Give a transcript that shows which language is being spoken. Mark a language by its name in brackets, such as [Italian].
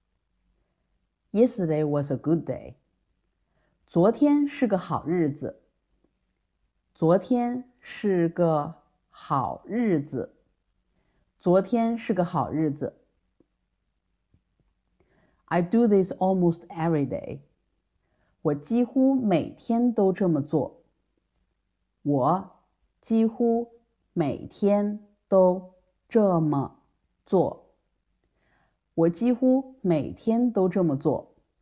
[Chinese] 现在已经九点了。 [English] Yesterday was a good day. [Chinese] 昨天是个好日子。昨天是个好日子。昨天是个好日子。 [English] I do this almost every day. [Chinese] 我几乎每天都这么做。我几乎每天都这么做。我几乎每天都这么做。